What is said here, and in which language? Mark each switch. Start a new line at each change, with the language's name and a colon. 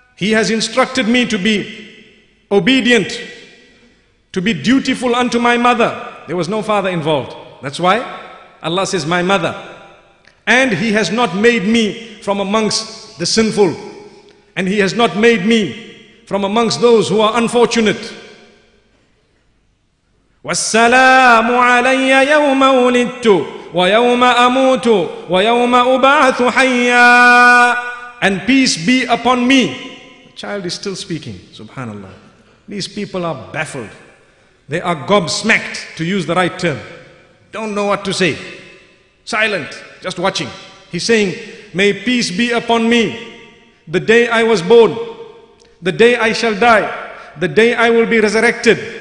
English: He has instructed me to be obedient, to be dutiful unto my mother. There was no father involved. That's why Allah says, my mother. And He has not made me from amongst the sinful. And He has not made me from amongst those who are unfortunate.
Arabic: والسلام علي يوم ولدت ويوم أموت ويوم أبعث حيا.
English: And peace be upon me. The child is still speaking. Subhanallah. These people are baffled. They are gobsmacked, to use the right term. Don't know what to say. Silent, just watching. He's saying, may peace be upon me the day I was born, the day I shall die, the day I will be resurrected.